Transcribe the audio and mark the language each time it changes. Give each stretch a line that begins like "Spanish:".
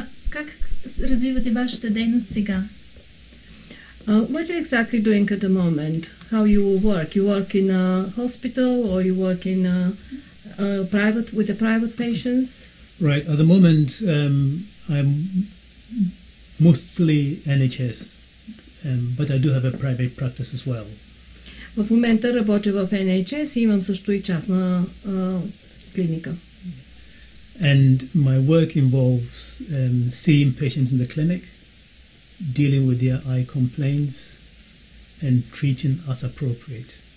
Bulgarian: Как развивате вашата дейност сега?
English: What are you exactly doing at the moment? How you work? You work in a hospital or you work in a private with the private patients? Right. At the moment, I'm mostly NHS. But I do have a private practice as well.
Bulgarian: В момента работя в NHS и имам също и частна клиника.
English: And my work involves seeing patients in the clinic, dealing with their eye complaints and treating as appropriate.